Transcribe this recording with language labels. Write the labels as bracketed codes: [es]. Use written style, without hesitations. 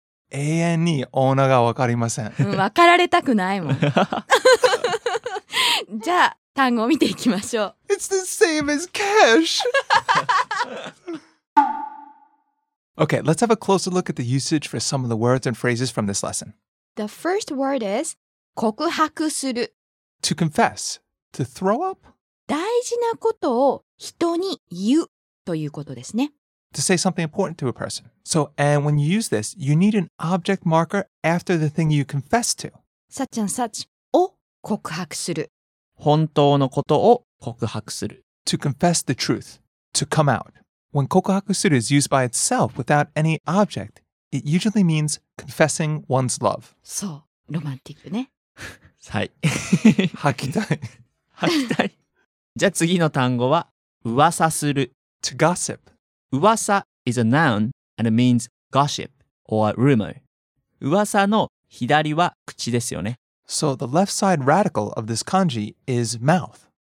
[ja] 永遠にオーナーがわかりません。わかられたくないもん。じゃあ。単語を見ていきましょう。 [en] It's the same as cash! Okay, let's have a closer look at the usage for some of the words and phrases from this lesson. The first word is 告白する。 To confess. To throw up. [ja] 大事なことを人に言うということですね。 [en] To say something important to a person. So, and when you use this, you need an object marker after the thing you confess to. Such and such を告白する。 [ja] 本当のことを告白する。 [en] To confess the truth. To come out. When 告白する is used by itself without any object, it usually means confessing one's love. [ja] そう。ロマンティックね。はい。吐きたい。吐きたい。じゃあ次の単語は、噂する。 [en] To gossip. 噂 is a noun and it means gossip or rumor. [ja] 噂の左は口ですよね。 [en] So the left side radical of this kanji is mouth.